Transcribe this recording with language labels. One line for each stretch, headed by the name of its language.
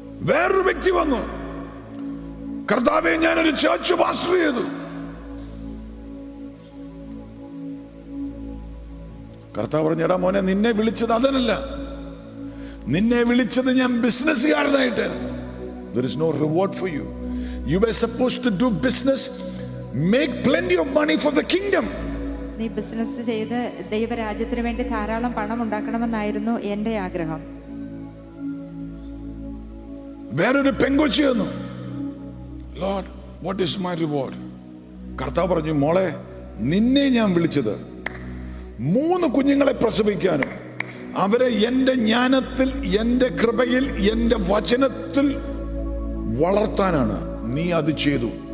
Malayalam: വേറൊരു വ്യക്തി വന്നു, കർത്താവെ ഞാനൊരു ചേർച്ച് പാസ്റ്റർ ചെയ്തു. കർത്താവ് പറഞ്ഞു, എടാ മോനെ നിന്നെ വിളിച്ചത് അതിനല്ല, നിന്നെ വിളിച്ചത് ഞാൻ ബിസിനസ്സുകാരനായിട്ടായിരുന്നു.
English: There is no reward for you. You were supposed to do business, make plenty of money for the kingdom.
Malayalam: നീ ബിസിനസ് ചെയ്ത് ദൈവരാജ്യത്തിന് വേണ്ടി ധാരാളം പണം ഉണ്ടാക്കണമെന്നായിരുന്നു എന്റെ ആഗ്രഹം. വേറൊരു പെങ്കൊച്ചി വന്നു,
English: Lord what is my reward?
Malayalam: കർത്താവ് പറഞ്ഞു, മോളെ നിന്നെ ഞാൻ വിളിച്ചത് 3 കുഞ്ഞുങ്ങളെ പ്രസവിക്കാനും, അവരെ എന്റെ ജ്ഞാനത്തിൽ, എന്റെ കൃപയിൽ, എന്റെ വചനത്തിൽ വളർത്താനാണ്. നീ അത് ചെയ്തു.